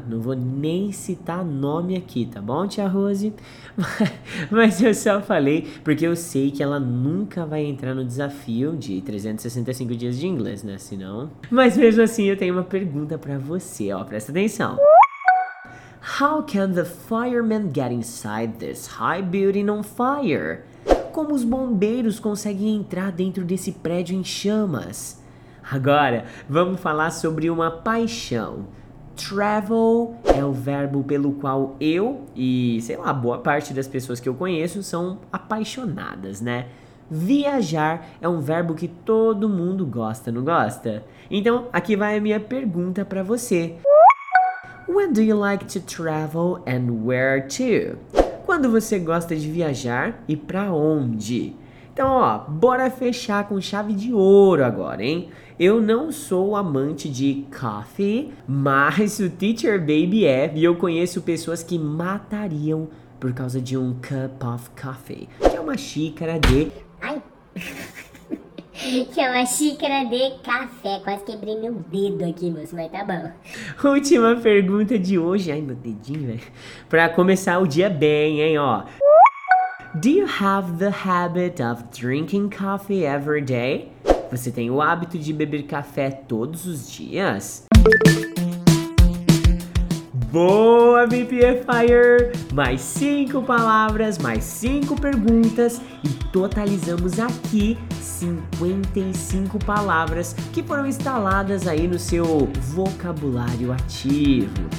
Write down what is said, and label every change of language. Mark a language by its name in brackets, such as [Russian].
[Portuguese] Não vou nem citar nome aqui, tá bom, tia Rose? Mas eu só falei porque eu sei que ela nunca vai entrar no desafio de 365 dias de inglês, né? Senão... Mas mesmo assim, eu tenho uma pergunta pra você, ó, presta atenção. [English] How can the fireman get inside this high building on fire? [Portuguese] Como os bombeiros conseguem entrar dentro desse prédio em chamas? Agora, vamos falar sobre uma paixão. Travel é o verbo pelo qual eu e, sei lá, boa parte das pessoas que eu conheço são apaixonadas, né? Viajar é um verbo que todo mundo gosta, não gosta? Então, aqui vai a minha pergunta para você. [English] When do you like to travel and where to? [Portuguese] Quando você gosta de viajar e para onde? Então, ó, bora fechar com chave de ouro agora, hein? Eu não sou amante de coffee, mas o Teacher Baby é, e eu conheço pessoas que matariam por causa de um [English] cup of coffee, [Portuguese] que é uma xícara de... Que é uma xícara de café. Quase quebrei meu dedo aqui, moço, mas tá bom. Última pergunta de hoje. Ai, meu dedinho, velho. Pra começar o dia bem, hein, ó. [English] Do you have the habit of drinking coffee every day? [Portuguese] Você tem o hábito de beber café todos os dias? Boa, BPFire! Mais 5 palavras, mais 5 perguntas e totalizamos aqui 55 palavras que foram instaladas aí no seu vocabulário ativo.